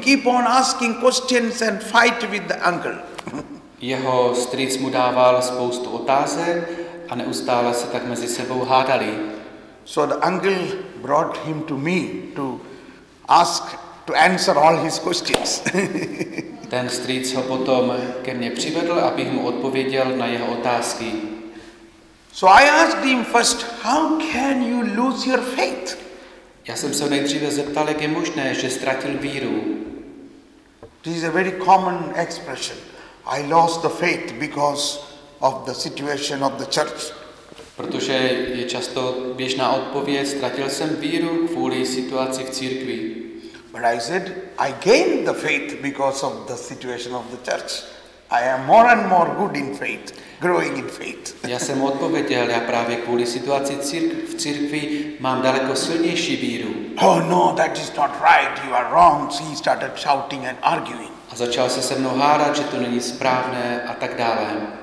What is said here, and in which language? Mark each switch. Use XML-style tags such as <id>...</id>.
<en>He keep on asking questions and fight with the uncle.</en> <cs>Jeho strýc mu dával spoustu otázek a neustále se tak mezi sebou hádali.</cs> <en>So the uncle brought him to me to ask to answer all his questions.</en> <cs>Ten strýc ho potom ke mně přivedl, abych mu odpověděl na jeho otázky.</cs> <en>So I asked him first, how can you lose your faith?</en> <cs>Já jsem se nejdříve zeptal, jak je možné, že ztratil víru.</cs> <en>This is a very common expression. I lost the faith because of the situation of the church.</en> <cs>Protože je často běžná odpověď, ztratil jsem víru kvůli situaci v církvi.</cs> <en>But I said, I gained the faith because of the situation of the church. I am more and more good in faith, growing in faith.</en> <cs>Já jsem odpověděl, já právě kvůli situaci v církvi mám daleko silnější víru.</cs> <en>Oh no, that is not right, you are wrong, so he started shouting and arguing.</en> <cs>A začal se mnou hádat, že to není správné a tak dále.</cs>